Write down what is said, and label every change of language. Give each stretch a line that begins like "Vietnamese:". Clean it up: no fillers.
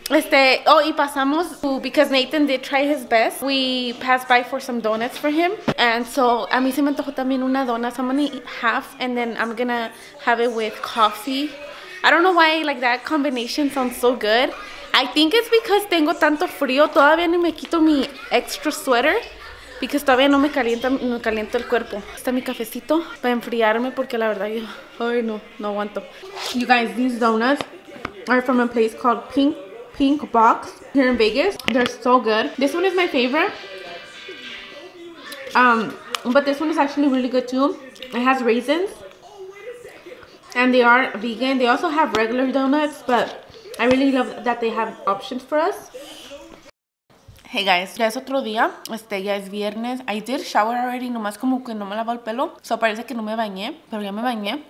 Spanish: Y pasamos
English: to, because Nathan did try his best. We passed by for some donuts for him. And so,
Spanish: a mí se me antojó también una dona.
English: So I'm gonna eat half and then I'm gonna have it with coffee. I don't know why, like, that combination sounds so good. I think it's because
Spanish: tengo tanto frío. Todavía no me quito mi extra sweater. Porque todavía no me calienta, me calienta el cuerpo. Está mi cafecito para enfriarme porque la verdad yo, ay no, no aguanto.
English: You guys, these donuts are from a place called Pink Box here in Vegas. They're so good. This one is my favorite. But this one is actually really good too. It has raisins. And they are vegan. They also have regular donuts, but I really love that they have options for us. Hey guys,
Spanish: ya es otro día, ya es viernes.
English: I did shower already,
Spanish: nomás como que no me lavo el pelo. So parece que no me bañé, pero ya me bañé.